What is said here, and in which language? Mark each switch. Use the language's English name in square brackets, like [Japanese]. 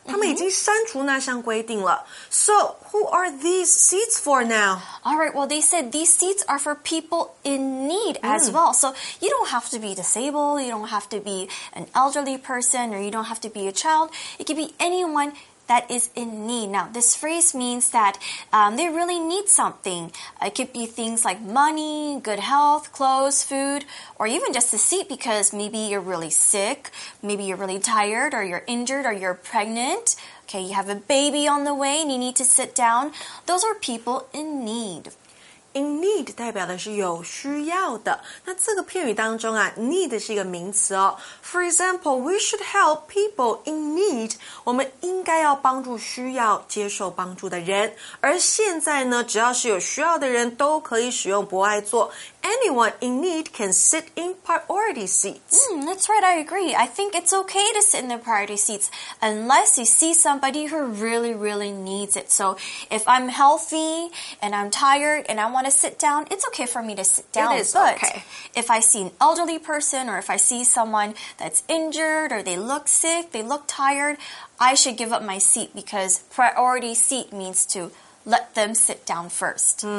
[Chinese] 他们已经删除那项规定了. [English] So who are these seats for now? All right. Well, they said these seats are for people in need as well. So you don't have to be disabled. You don't have to be an elderly person or you don't have to be a child. It could be anyone. That is in need. Now, this phrase means that they really need something. It could be things like money, good health, clothes, food, or even just a seat because maybe you're really sick, maybe you're really tired, or you're injured, or you're pregnant. Okay, you have a baby on the way and you need to sit down. Those are people in need. [Chinese] In need 代表的是有需要的。那这个片语当中啊 ，need 是一个名词哦。 [English] For example, we should help people in need. [Chinese] 我们应该要帮助需要接受帮助的人。而现在呢，只要是有需要的人都可以使用博爱座。 [English] Anyone in need can sit in priority seats. That's right, I agree. I think it's okay to sit in the priority seats unless you see somebody who really, really needs it. So if I'm healthy and I'm tired and I want to sit down, it's okay for me to sit down. It is okay. If I see an elderly person or if I see someone that's injured or they look sick, they look tired, I should give up my seat because priority seat means toto let them sit down first.